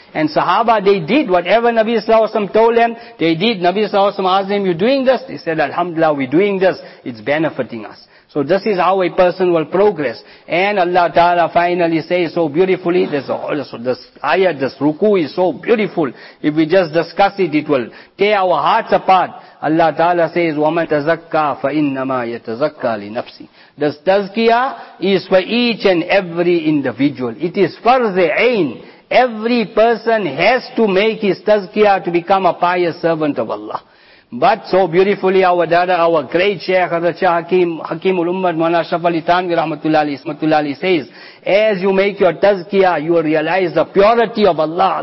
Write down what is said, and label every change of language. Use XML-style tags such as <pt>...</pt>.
<en>And Sahaba, they did whatever Nabi Sallallahu Alaihi Wasallam told them, they did. Nabi Sallallahu Alaihi Wasallam asked them, you doing this? They said, Alhamdulillah, we're doing this, it's benefiting us. So this is how a person will progress. And Allah Ta'ala finally says so beautifully, this ayah, this ruku is so beautiful. If we just discuss it, it will tear our hearts apart. Allah Ta'ala says,</en> <ar>وَمَن تَزَكَّى فَإِنَّمَا يَتَزَكَّى لِنَفْسِ.</ar> <en>This tazkiyah is for each and every individual. It is farz-e-ain. Every person has to make his tazkiyah to become a pious servant of Allah. But so beautifully our dada, our great Shaykh Hazrat Shah Hakimul Ummat Mawlana Ashraf Ali Thanvi Rahmatullahi says, as you make your tazkiyah, you realize the purity of Allah.</en>